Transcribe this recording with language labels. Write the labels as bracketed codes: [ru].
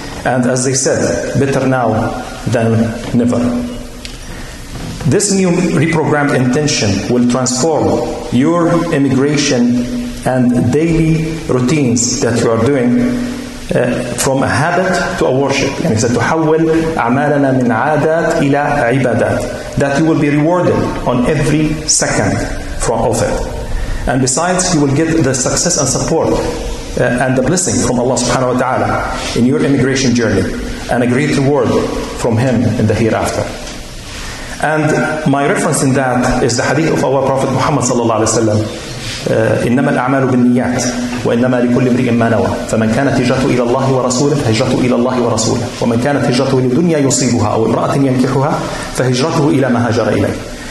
[en] And as they said, better now than never. This new reprogrammed intention will transform your immigration and daily routines that you are doing from a habit to a worship. [ar] And he said, تحول أعمالنا من عادات إلى عبادات. [en] That you will be rewarded on every second from of it. And besides, you will get the success and support and the blessing from Allah subhanahu wa ta'ala in your immigration journey and a great reward from Him in the hereafter. And my reference in that is the hadith of our Prophet Muhammad sallallahu alayhi wa sallam, [ar] إِنَّمَا الْأَعْمَالُ بِالنِّيَّاتِ وَإِنَّمَا لِكُلِّ امْرِئٍ مَّا نَوَى فَمَنْ كَانَتْ هِجْرَتُهُ إِلَى اللَّهِ وَرَسُولِهِ فَهِجْرَتُهُ إِلَى اللَّهِ وَرَسُولِهِ وَمَنْ كَانَتْ هِجْرَتُهُ لِلدُّنْيَا يُصِيبُهَا أَوْ امْرَأَةٍ يَنْكِحُهَا فَهِجْرَتُهُ إِلَى مَا هَاجَرَ إِلَيْهِ.